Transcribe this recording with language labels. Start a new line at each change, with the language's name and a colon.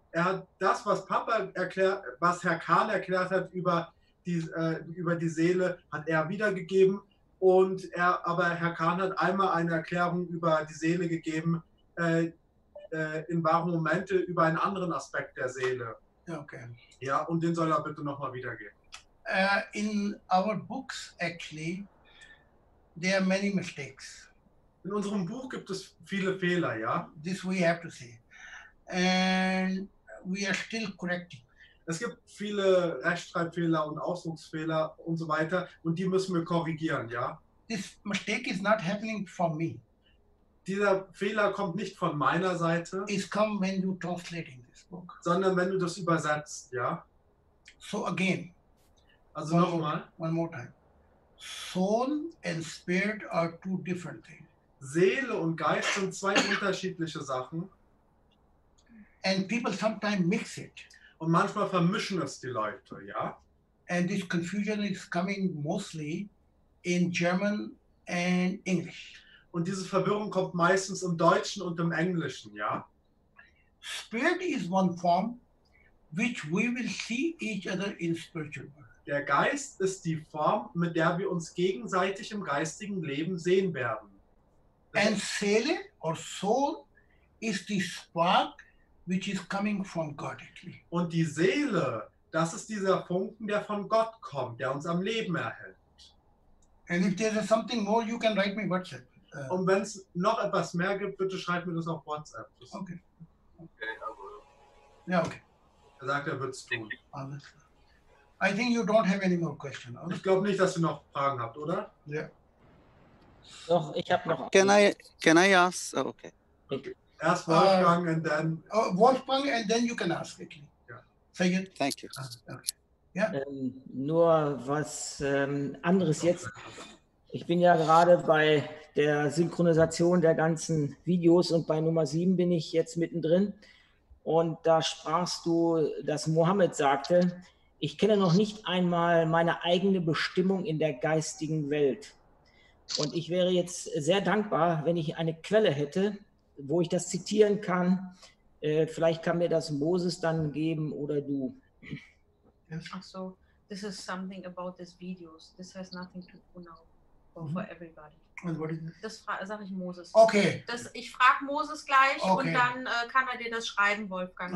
German: Er hat das, was Papa erklärt, was Herr Kahn erklärt hat über die Seele, hat er wiedergegeben. Aber Herr Kahn hat einmal eine Erklärung über die Seele gegeben, in wahre Momente über einen anderen Aspekt der Seele. Okay. Ja, und den soll er bitte nochmal wiedergeben.
English: In our books, actually, there are many mistakes.
German: In unserem Buch gibt es viele Fehler, ja?
English: This we have to say. And we are still correcting.
German: Es gibt viele Rechtschreibfehler und Ausdrucksfehler und so weiter, und die müssen wir korrigieren, ja?
English: This mistake is not happening from me.
German: Dieser Fehler kommt nicht von meiner Seite.
English: It comes when you translate this book.
German: Sondern wenn du das übersetzt, ja?
English: So again.
German: Also nochmal.
English: One more time. Soul and spirit are two different things.
German: Seele und Geist sind zwei unterschiedliche Sachen.
English: And people sometimes mix it.
German: Und manchmal vermischen es die Leute, ja?
English: And this confusion is coming mostly in German and English.
German: Und diese Verwirrung kommt meistens im Deutschen und im Englischen, ja?
English: Spirit is one form which we will see each other in spiritual world.
German: Der Geist ist die Form, mit der wir uns gegenseitig im geistigen Leben sehen werden.
English: And Seele or Soul is the spark which is coming from God.
German: Und die Seele, das ist dieser Funken, der von Gott kommt, der uns am Leben erhält.
English: And if there is something more, you can write me WhatsApp.
German: Und wenn es noch etwas mehr gibt, bitte schreib mir das auf WhatsApp. Das
English: okay. Okay,
German: ja, okay. Er sagt, er wird es tun. Alles klar.
English: I think you don't have any more questions.
German: Also? Ich glaube nicht, dass ihr noch Fragen habt, oder? Ja.
English: Yeah.
German: Doch, ich habe noch.
English: Can I ask? Oh, okay.
German: Erst Wolfgang und dann.
English: Wolfgang
German: und dann
English: you can ask. Okay. Yeah. Thank you. Thank you. Okay. Yeah.
German: Nur was anderes jetzt. Ich bin ja gerade bei der Synchronisation der ganzen Videos und bei Nummer 7 bin ich jetzt mittendrin. Und da sprachst du, dass Mohammed sagte: Ich kenne noch nicht einmal meine eigene Bestimmung in der geistigen Welt. Und ich wäre jetzt sehr dankbar, wenn ich eine Quelle hätte, wo ich das zitieren kann. Vielleicht kann mir das Moses dann geben oder du.
English: Ach so, this is something about these videos. This has nothing to do now or for everybody.
German: Das sage ich Moses. Okay. Das, ich frage Moses gleich okay. Und dann kann er dir das schreiben, Wolfgang.